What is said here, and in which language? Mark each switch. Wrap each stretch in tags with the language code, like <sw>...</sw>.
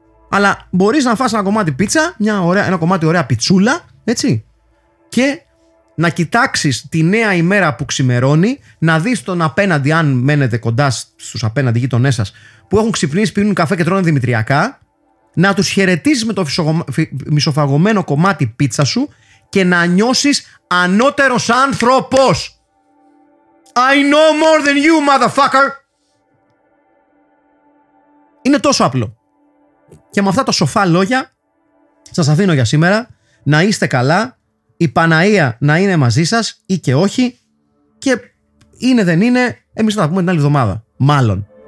<el>Αλλά μπορείς να φας ένα κομμάτι πίτσα, ένα κομμάτι ωραία πιτσούλα, έτσι, και να κοιτάξεις τη νέα ημέρα που ξημερώνει, να δεις τον απέναντι, αν μένετε κοντά στους απέναντι γείτονές σας, που έχουν ξυπνήσει, πίνουν καφέ και τρώνε δημητριακά, να τους χαιρετήσεις με το μισοφαγωμένο κομμάτι πίτσα σου και να νιώσεις ανώτερος άνθρωπος.</el> <en>I know more than you, motherfucker.</en> <el>Είναι τόσο απλό. Και με αυτά τα σοφά λόγια σας αφήνω για σήμερα. Να είστε καλά. Η Παναία να είναι μαζί σας ή και όχι. Και είναι δεν είναι, εμείς θα τα πούμε την άλλη εβδομάδα. Μάλλον.</el>